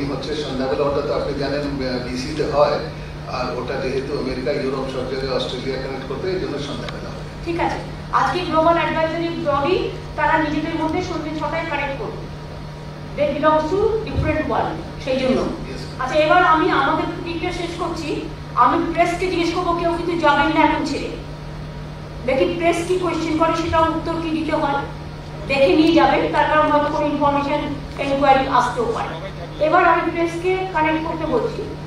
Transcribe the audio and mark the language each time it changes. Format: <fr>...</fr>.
<bn>আপনি জানেন ডিসিতে হয় আর ওটা যেহেতু আমেরিকা ইউরোপ সব জায়গায় অস্ট্রেলিয়া কানেক্ট করবে এই জন্য সন্ধ্যাবেলা হবে, ঠিক আছে? আজকে গ্লোবাল অ্যাডভাইজারি ব্লগই তারা নিজেদের মধ্যে সন্ধ্যে 6টায় কানেক্ট করবে।</bn> <en>They belong to different world,</en> <bn>সেই জন্য। আচ্ছা এবার আমি আমাদের টিকিট শেষ করছি, আমি প্রেসকে জিজ্ঞেস করবো কেউ কিন্তু যাবেন না এখন ছেড়ে, দেখি প্রেস কি কোয়েশ্চেন করে সেটা উত্তর কি দিতে হয় দেখে নিয়ে যাবেন, তার কারণ হয়তো কোনো ইনফরমেশন এনকোয়ারি আসতেও পারে। এবার আমি প্রেসকে কানেক্ট করতে বলছি।</bn>